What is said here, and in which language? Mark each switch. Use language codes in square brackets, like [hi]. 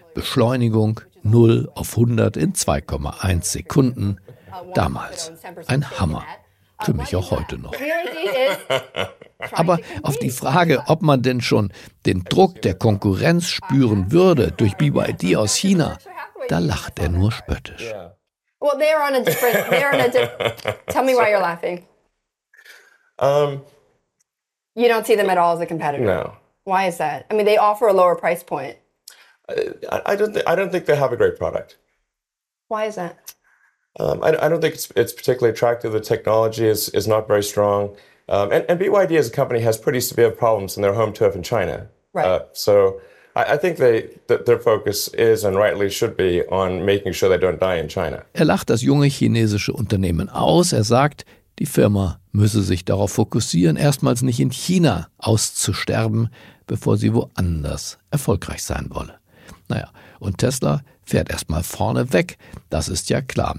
[de] Beschleunigung 0 auf 100 in 2,1 Sekunden. Damals ein Hammer. Für mich auch heute noch. Aber auf die Frage, ob man denn schon den Druck der Konkurrenz spüren würde durch BYD aus China, da lacht er nur spöttisch. [en] Well, they're on a different. Tell me why you're laughing. You don't see them at all as a competitor. No. Why is that? I mean, they offer a lower price point. I don't think they have a great product. Why is that? I don't think it's particularly attractive. The technology is not very strong. And BYD as a company has pretty severe problems in their home turf in China. Right. So I think their focus is and rightly should be on making sure they don't die in China. [de] Er lacht das junge chinesische Unternehmen aus. Er sagt, die Firma müsse sich darauf fokussieren, erstmals nicht in China auszusterben, bevor sie woanders erfolgreich sein wolle. Naja, und Tesla fährt erstmal vorne weg. Das ist ja klar.